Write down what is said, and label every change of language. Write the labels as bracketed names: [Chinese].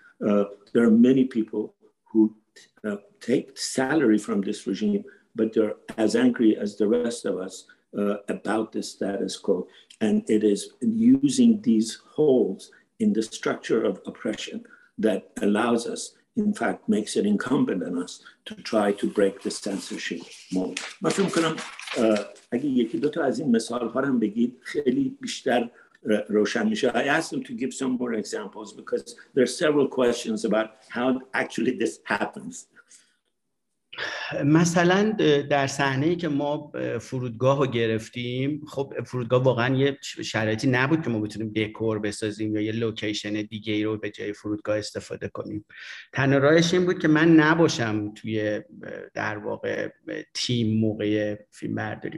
[English] There are many people who take salary from this regime, but they're as angry as the rest of us about the status quo. And it is using these holes in the structure of oppression that allows us, in fact, makes it incumbent on us to try to break the censorship mode. [Persian] من فکر می‌کنم اگه یکی دو تا از این مثال‌ها رو هم بگید خیلی بیشتر روشن میشه. [English] I asked them to give some more examples because there are several questions about how actually this happens. [Persian] مثلا در صحنه‌ای که ما فرودگاه رو گرفتیم، خب فرودگاه واقعا یه شرایطی نبود که ما بتونیم دکور بسازیم یا یه لوکیشن دیگه رو به جای فرودگاه استفاده کنیم. تنها راهش این بود که من نباشم توی در واقع تیم موقع فیلم برداری.